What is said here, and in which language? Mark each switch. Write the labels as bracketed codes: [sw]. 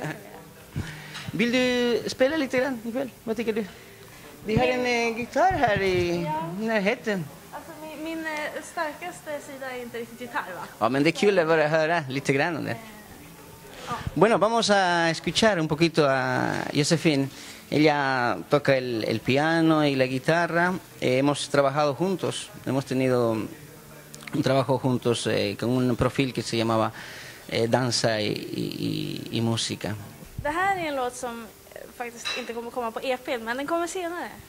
[sv] jag. Vill du spela lite grann ikväll? Vad tycker du? Vi har en gitarr här i närheten. Alltså min starkaste sida är inte riktigt gitarr, va? Ja, men det är kul att bara höra lite grann om det. [es] Bueno, vamos a escuchar un poquito a Josephine. Ella toca el piano y la guitarra. Hemos trabajado juntos, hemos tenido un trabajo juntos con un profil que se llamaba Danza y Música. [sv] Det här är en låt som faktiskt inte kommer komma på EP, men den kommer senare.